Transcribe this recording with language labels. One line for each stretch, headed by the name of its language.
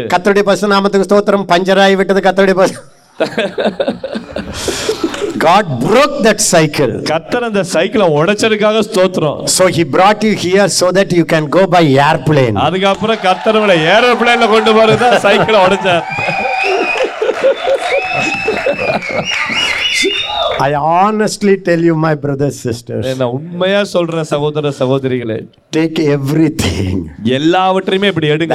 Tamil: கர்த்தருடைய பரிசுத்தநாமத்துக்கு ஸ்தோத்திரம் பஞ்சர் ஆகிவிட்டது கர்த்தருடைய
English: God broke that cycle.
Tamil: கர்த்தர் அந்த சைக்கிளை உடைச்சதுக்காக ஸ்தோத்திரம்.
English: So he brought you here so that you can go by airplane.
Tamil: அதுக்கு அப்புறம் கர்த்தர் உங்களை ஏரோப்ளேன்ல கொண்டு போறதா சைக்கிளை உடைச்சார்.
English: I honestly tell you my brothers sisters
Tamil: enna unmaya solra sahodara sahodrigale
English: take everything
Tamil: ellavatrime ipdi edunga